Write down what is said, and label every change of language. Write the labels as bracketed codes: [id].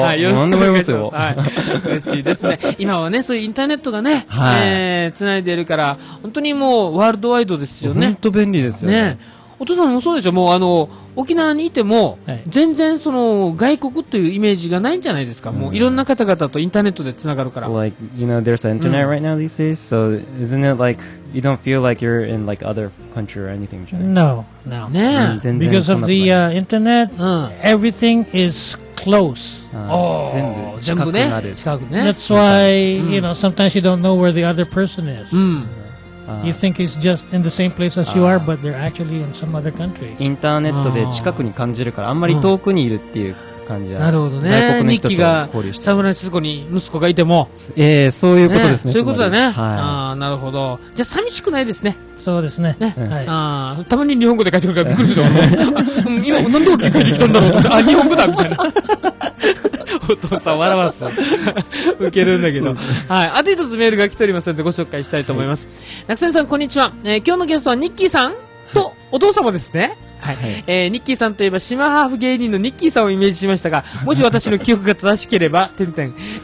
[ja] はい、よろしくお願いします、はい、嬉しいですね。今はねそういうインターネットがね、はい、繋いでるから本当にもうワールドワイドですよね。本当便利ですよ ね、ね、お父さんもそうでしょ、もう沖縄にいても、はい、全然その外国というイメージがないんじゃないですか、うん、もういろんな方々とインターネットでつながるから。 [en] Like, you know, there's internet right now these days, so isn't it like you don't feel like you're in like other country or anything? No, no. [ja] ね、 [en] うん、Because of the internet,、うん、everything is close.、 [ja] 全部近くなる。近くね。 [en] That's why,、うん、you know, sometimes you don't know where the other person is.、 [ja] うん、 [en] You think it's just in the same place as you are, but they're actually in some other country. [ja] インターネットで近くに感じるから、あんまり遠くにいるっていう感じは、うん、なるほどね。日記がサンフランシスコに息子がいても、そういうことです ね、そういうことだね、はい、なるほど。じゃあ寂しくないですね。そうです ね、ね、はい、たまに日本語で書いてくるからびっくりするよ、ね、今何で俺に書いてきたんだろうとか、あ日本語だみたいなお父さん笑わす受けるんだけど、はい、あと一つメールが来ておりますのでご紹介したいと思います、はい、中谷さんこんにちは、今日のゲストはニッキーさんとお父様ですね、はいはい、ニッキーさんといえば島ハーフ芸人のニッキーさんをイメージしましたが、もし私の記憶が正しければ点々、